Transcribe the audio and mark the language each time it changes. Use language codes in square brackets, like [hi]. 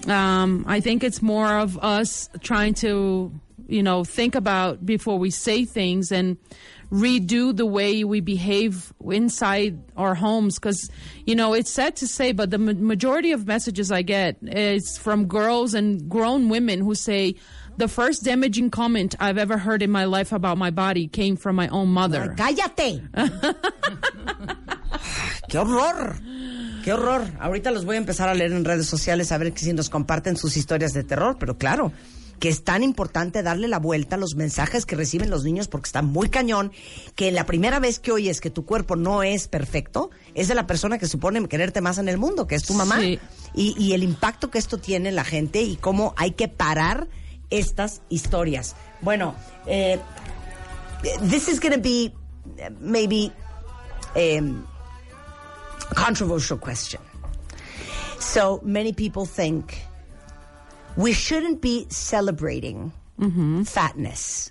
[en] I think it's more of us trying to, you know, think about before we say things and redo the way we behave inside our homes, because, you know, it's sad to say, but the majority of messages I get is from girls and grown women who say, the first damaging comment I've ever heard in my life about my body came from my own mother. [es] ¡Cállate! ¡Qué horror! ¡Qué horror! Ahorita los voy a empezar a leer en redes sociales a ver si nos comparten sus historias de terror, pero claro, que es tan importante darle la vuelta a los mensajes que reciben los niños, porque está muy cañón, que la primera vez que oyes que tu cuerpo no es perfecto, es de la persona que supone quererte más en el mundo, que es tu mamá. Sí. Y el impacto que esto tiene en la gente y cómo hay que parar estas historias. [en] Bueno, this is going to be maybe a controversial question. So many people think we shouldn't be celebrating fatness.